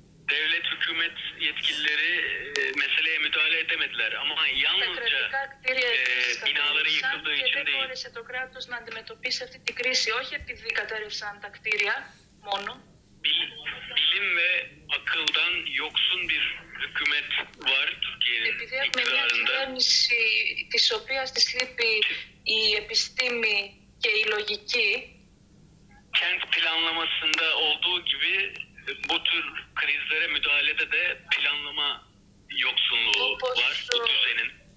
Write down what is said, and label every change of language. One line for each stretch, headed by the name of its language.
Turkish: Devlet hükümet yetkilileri meseleye müdahale edemediler. Ama yalnızca binaları yıkıldığı için değil.
Greek: Και δεν μπόρεσε το κράτος να αντιμετωπίσει αυτή την κρίση, όχι επειδή κατέρευσαν τα κτίρια μόνο.
Turkish: Bilim ve akıldan yoksun bir hükümet var Türkiye'nin iktidarında.
Greek: Επειδή της οποίας της λείπει η επιστήμη και η λογική.
Turkish: Kent planlamasında olduğu gibi bu tür krizlere müdahalede de planlama yoksunluğu var bu düzenin.